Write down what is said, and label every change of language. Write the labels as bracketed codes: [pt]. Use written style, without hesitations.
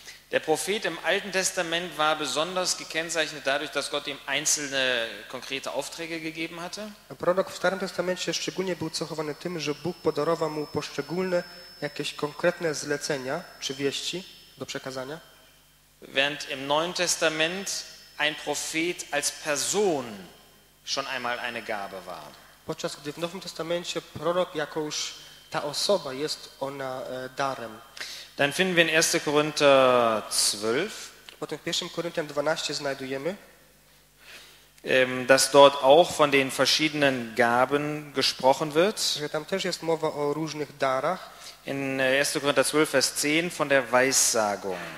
[de] Der Prophet im Alten Testament war besonders gekennzeichnet dadurch, dass Gott ihm einzelne konkrete Aufträge gegeben hatte. [pl] Prorok w Starym Testamencie szczególnie był cechowany tym, że Bóg podarował mu poszczególne jakieś konkretne zlecenia czy wieści do przekazania. [de] Während im Neuen Testament ein Prophet als Person schon einmal eine Gabe war. [pl] Podczas gdy w Nowym Testamencie prorok jako już ta osoba jest ona darem. [de] Dann finden wir in 1. Korinther 12. [pl] Potem w 1. Korinther 12 znajdujemy, [de] dass dort auch von den verschiedenen Gaben gesprochen wird. [pl] Że tam też jest mowa o różnych darach. [de] In 1. Korinther 12, Vers 10 von der Weissagung.